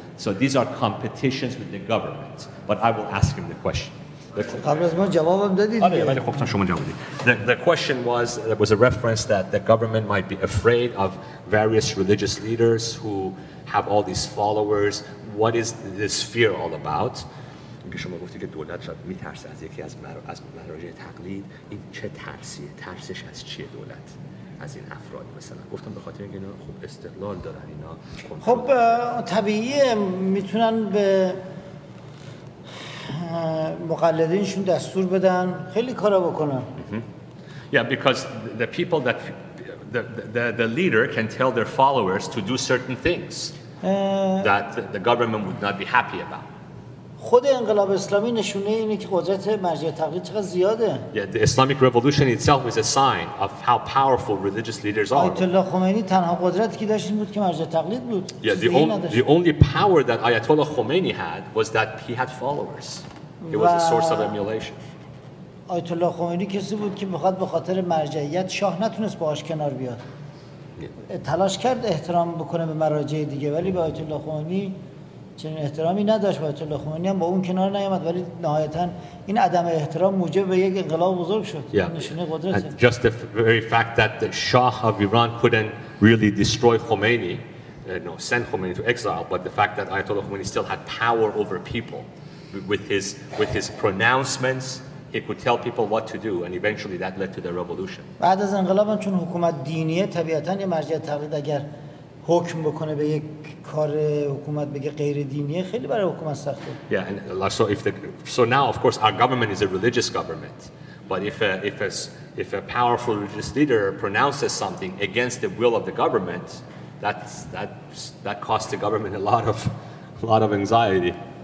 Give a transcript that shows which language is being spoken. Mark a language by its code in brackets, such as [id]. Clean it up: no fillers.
[en] So these are competitions with the government. But I will ask him the question. The question was, there was a reference that the government might be afraid of various religious leaders who have all these followers. What is this fear all about? [fa] شما گفتی که دولت شاید میترسه از یکی از مراجع تقلید. این چه ترسیه؟ ترسش از چیه دولت؟ از این افراد مثلا گفتم به خاطر اینکه خب استقلال دارن اینا خب طبیعیه میتونن به مقلدینشون دستور بدن خیلی کارا بکنن [en] Yeah, because the people that the leader can tell their followers to do certain things that the government would not be happy about. [fa] خود انقلاب اسلامی نشونه اینه که قدرت مرجع تقلید چقدر زیاده. [en] Yeah, the Islamic revolution itself is a sign of how powerful religious leaders are. [fa] آیت‌الله خمینی تنها قدرتی که داشت این بود که مرجع تقلید بود. [en] Yeah, the only power that Ayatollah Khomeini had was that he had followers. It was a source of emulation. [fa] آیت الله خمینی کسی بود که بخواد به خاطر مرجعیت شاه نتونست باهاش کنار بیاد. تلاش کرد احترام بکنه به مراجع دیگه ولی به آیت الله خمینی چنین احترامی نداشت. آیت الله خمینی هم با اون کنار نیامد ولی نهایتاً این عدم احترام موجب به یک انقلاب بزرگ شد. نشونه قدرته. [en] Just the very fact that the Shah of Iran couldn't really destroy Khomeini, no, send Khomeini to exile, but the fact that Ayatollah Khomeini still had power over people with his pronouncements. He could tell people what to do, and eventually that led to the revolution. [fa] بعد از انقلاب چون حکومت دینیه طبیعتاً یه مرجع تقلید اگر حکم بکنه به یک کار حکومت بگه غیر دینیه خیلی برای حکومت سخته. [en] Yeah, and so now of course our government is a religious government, but if a powerful religious leader pronounces something against the will of the government, that costs the government a lot of anxiety.